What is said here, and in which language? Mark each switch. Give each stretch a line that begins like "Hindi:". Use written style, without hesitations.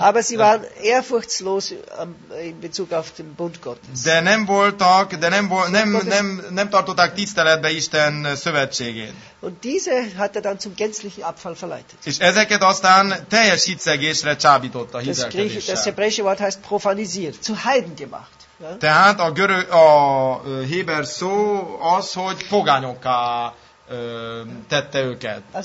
German: Aber sie waren ehrfurchtslos in Bezug auf den Bund Gottes.
Hungarian: De nem tartották tiszteletbe Isten szövetségét.
German: Und diese hat dann zum gänzlichen Abfall verleitet.
Hungarian: És ezeket aztán teljes hitszegésre csábította hitszegésre.
German: Das hebräische Wort heißt profanisiert, zu Heiden gemacht.
Hungarian: Tehát a héber szó az, hogy pogányokká tette őket.